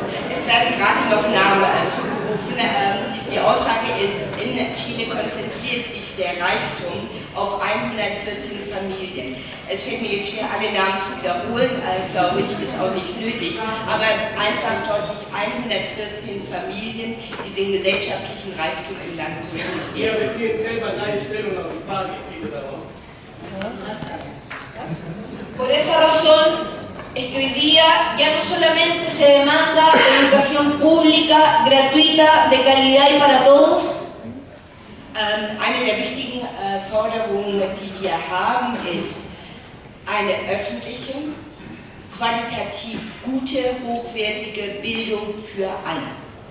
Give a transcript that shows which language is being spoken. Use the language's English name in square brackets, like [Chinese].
[German] Es werden gerade noch Namen zugerufen. Die Aussage ist, in Chile konzentriert sich der Reichtum auf 114 Familien. Es fällt mir jetzt schwer, alle Namen zu wiederholen, glaube ich, ist auch nicht nötig. Aber einfach deutlich 114 Familien, die den gesellschaftlichen Reichtum im Land konzentrieren. Ja, wir ziehen selber deine Stellung auf die Frage, ich gehe darauf. [Spanish] Por esa razón, es que hoy día ya no solamente se demanda educación pública, gratuita, de calidad y para todos. [German] Eine der wichtigen Forderungen, die wir haben, ist eine öffentliche, qualitativ gute, hochwertige Bildung für alle.